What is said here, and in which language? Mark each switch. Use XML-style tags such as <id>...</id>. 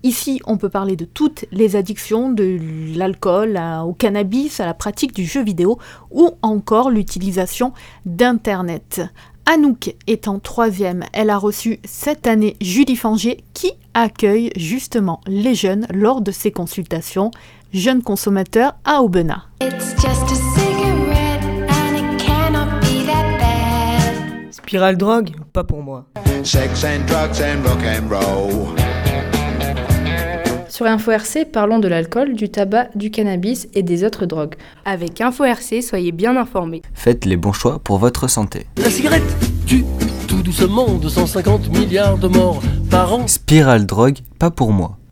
<fr>Ici, on peut parler de toutes les addictions, de l'alcool au cannabis, à la pratique du jeu vidéo ou encore l'utilisation d'Internet. Anouk est en troisième. Elle a reçu cette année Julie Fangier qui accueille justement les jeunes lors de ses consultations. Jeunes consommateurs à Aubenas.</fr> <en>It's just a cigarette and it cannot be that bad.</en> <fr>Spirale drogue, pas pour moi.</fr> <en>Sex and drugs and rock and roll.</en> <fr>Sur Info RC, parlons de l'alcool, du tabac, du cannabis et des autres drogues. Avec Info RC, soyez bien informés. Faites les bons choix pour votre santé. La cigarette tue tout doucement 250 milliards de morts par an. Spirale drogue, pas pour moi.</fr>